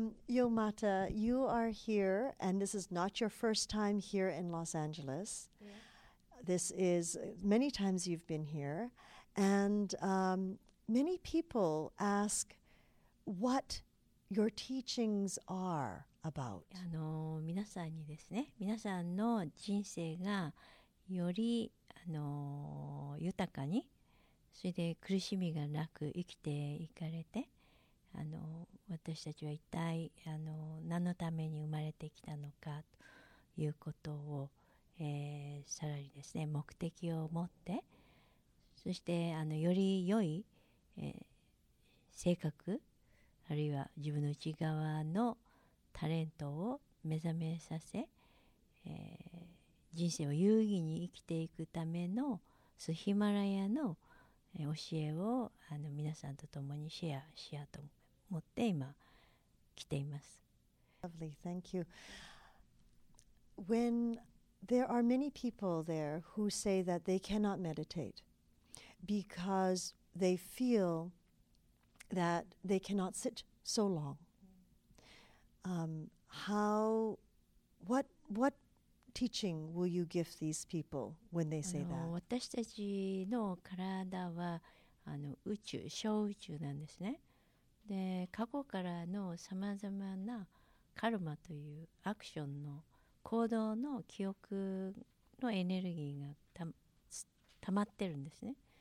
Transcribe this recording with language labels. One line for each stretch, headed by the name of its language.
English: Yogmata, you are here, and this is not your first time here in Los Angeles. Yeah. This is many times you've been here. And many people ask what your teachings are about.
Japanese: 皆さんにですね、皆さんの人生がより豊かに、それで苦しみがなく生きていかれて、私たちは一体何のために生まれてきたのかということを、さらにですね、目的を持って、そしてより良い、性格、あるいは自分の内側のタレントを目覚めさせ、人生を有意義に生きていくためのスヒマラヤの、教えを皆さんと共にシェアしようと思って今来ています。
English: Lovely, thank you. When there are many people there who say that they cannot meditate because they feel that they cannot sit so long. What teaching will you give these people when they say that?
Japanese: 私たちの体は宇宙、小宇宙なんですね。で、過去からのさまざまなカルマというアクションの行動の記憶のエネルギーが溜まってるんですね。